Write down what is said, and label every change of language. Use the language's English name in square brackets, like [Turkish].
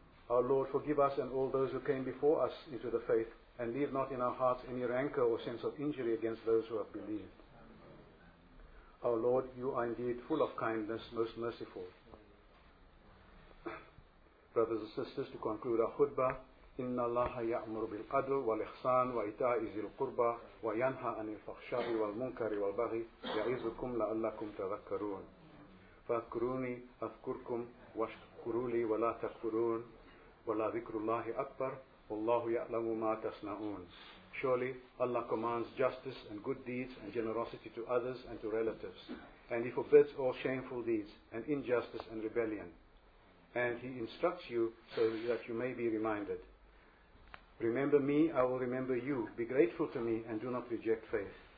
[English] Our Lord, forgive us and all those who came before us into the faith, and leave not in our hearts any rancor or sense of injury against those who have believed. Our Lord, you are indeed full of kindness, most merciful. Brothers and sisters, to conclude our khutbah, [Arabic] إِنَّ اللَّهَ يَأْمُرُ بِالْعَدْلِ وَالْإِحْسَانِ وَإِيتَاءِ ذِي الْقُرْبَى وَيَنْهَى عَنِ الْفَحْشَاءِ وَالْمُنكَرِ وَالْبَغْيِ يَعِظُكُمْ لَعَلَّكُمْ تَذَكَّرُونَ فَاذْكُرُونِي أَذْكُرْكُمْ وَاشْكُرُوا لِي وَلَا تَكْفُرُونِ وَلَذِكْرُ اللَّهِ أَكْبَرُ وَاللَّهُ يَعْلَمُ مَا تَصْنَعُونَ. [English] Surely Allah commands justice and good deeds and generosity to others and to relatives, and He forbids all shameful deeds and injustice and rebellion, and He instructs you so that you may be reminded. Remember me, I will remember you. Be grateful to me and do not reject faith.